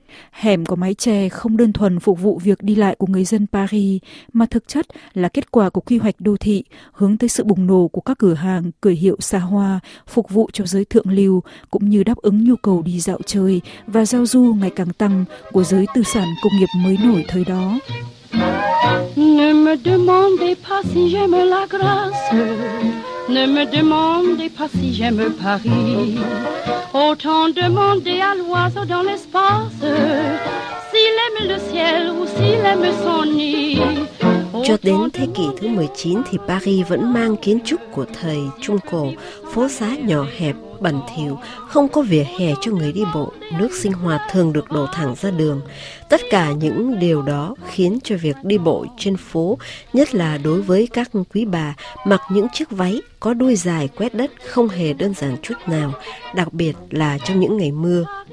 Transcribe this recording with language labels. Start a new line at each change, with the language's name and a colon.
Vietnamese: Hẻm có mái che không đơn thuần phục vụ việc đi lại của người dân Paris, mà thực chất là kết quả của quy hoạch đô thị hướng tới sự bùng nổ của các cửa hàng, cửa hiệu xa hoa, phục vụ cho giới thượng lưu, cũng như đáp ứng nhu cầu đi dạo chơi và giao du ngày càng tăng của giới tư sản công nghiệp mới nổi thời đó.
French: Ne me demandez pas si j'aime la grâce. Ne me demandez pas si j'aime Paris. Autant demander à l'oiseau dans l'espace s'il aime le ciel ou s'il aime son nid.
Vietnamese: Cho đến thế kỷ thứ 19 thì Paris vẫn mang kiến trúc của thời Trung Cổ, phố xá nhỏ hẹp, bẩn thỉu, không có vỉa hè cho người đi bộ, nước sinh hoạt thường được đổ thẳng ra đường. Tất cả những điều đó khiến cho việc đi bộ trên phố, nhất là đối với các quý bà mặc những chiếc váy có đuôi dài quét đất không hề đơn giản chút nào, đặc biệt là trong những ngày mưa.